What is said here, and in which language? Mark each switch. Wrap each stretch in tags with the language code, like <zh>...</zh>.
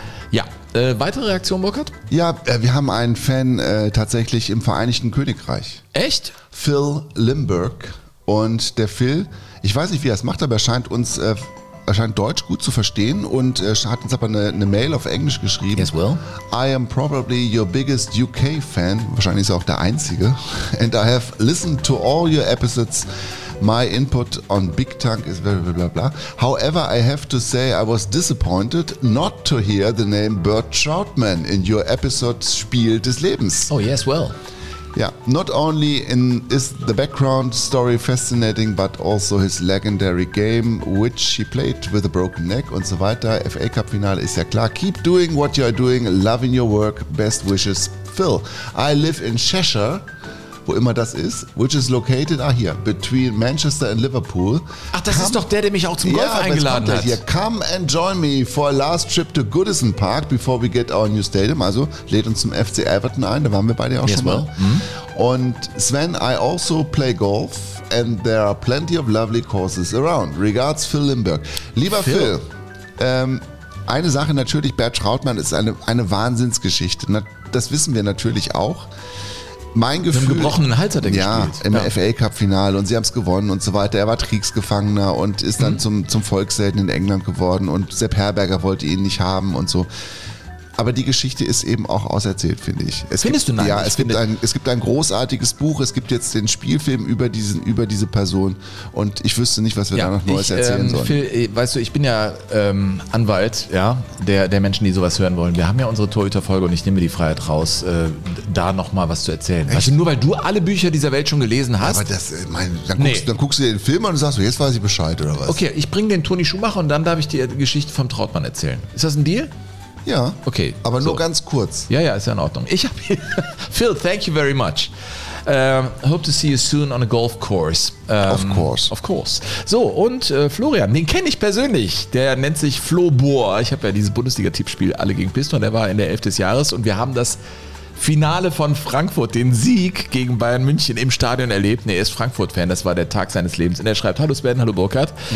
<de>Ja, weitere Reaktion, Burkhard? Ja, wir haben einen Fan tatsächlich im Vereinigten Königreich. Echt? Phil Limburg. Und der Phil, ich weiß nicht, wie er es macht, aber er scheint Deutsch gut zu verstehen und hat uns aber eine Mail auf Englisch geschrieben.</de> <en>Yes, well. I am probably your biggest UK fan.</en> <de>Wahrscheinlich ist er auch der Einzige.</de> <en>And I have listened to all your episodes. My input on Big Tank is blah, blah, blah, blah. However, I have to say I was disappointed not to hear the name Bert Trautmann in your episode Spiel des Lebens. Oh, yes, well. Yeah, not only is the background story fascinating, but also his legendary game, which he played with a broken neck</en> <de>und so weiter. FA Cup Finale ist ja klar.</de> <en>Keep doing what you are doing, loving your work, best wishes, Phil. I live in Cheshire,</en> <de>wo immer das ist,</de> <en>which is located, hier, between Manchester and Liverpool.</en> <de>Ach, das ist doch der mich auch zum Golf eingeladen hat. Hier.</de> <en>Come and join me for a last trip to Goodison Park before we get our new stadium.</en> <de>Also, lädt uns zum FC Everton ein, da waren wir beide auch schon mal.</de> <en>Und Sven, I also play golf and there are plenty of lovely courses around. Regards, Phil Limburg.</en> <de>Lieber Phil, eine Sache natürlich, Bert Trautmann ist eine Wahnsinnsgeschichte. Das wissen wir natürlich auch. Mein Gefühl. Mit einem gebrochenen Hals hat er gespielt. Im FA Cup-Finale und sie haben es gewonnen und so weiter. Er war Kriegsgefangener und ist dann zum Volkshelden in England geworden und Sepp Herberger wollte ihn nicht haben und so. Aber die Geschichte ist eben auch auserzählt, finde ich. Es gibt ein großartiges Buch, es gibt jetzt den Spielfilm über diese Person und ich wüsste nicht, was wir da noch Neues erzählen sollen. Phil, weißt du, ich bin ja Anwalt der Menschen, die sowas hören wollen. Wir haben ja unsere Torhüter-Folge und ich nehme die Freiheit raus, da nochmal was zu erzählen. Weißt du, nur weil du alle Bücher dieser Welt schon gelesen hast. Dann guckst du dir den Film an und sagst, jetzt weiß ich Bescheid oder was. Okay, ich bringe den Toni Schumacher und dann darf ich dir die Geschichte vom Trautmann erzählen. Ist das ein Deal? Ja, okay, aber nur ganz kurz. Ja, ist ja in Ordnung. Ich habe Phil,</de> <en>thank you very much. Hope to see you soon on a golf course. Of course.</en> <de>So, und Florian, den kenne ich persönlich. Der nennt sich Flo Bohr. Ich habe ja dieses Bundesliga-Tippspiel alle gegen Piston. Der war in der 11 des Jahres und wir haben das Finale von Frankfurt, den Sieg gegen Bayern München im Stadion erlebt. Er ist Frankfurt-Fan, das war der Tag seines Lebens. Und er schreibt, hallo Sven, hallo Burkhard.</de>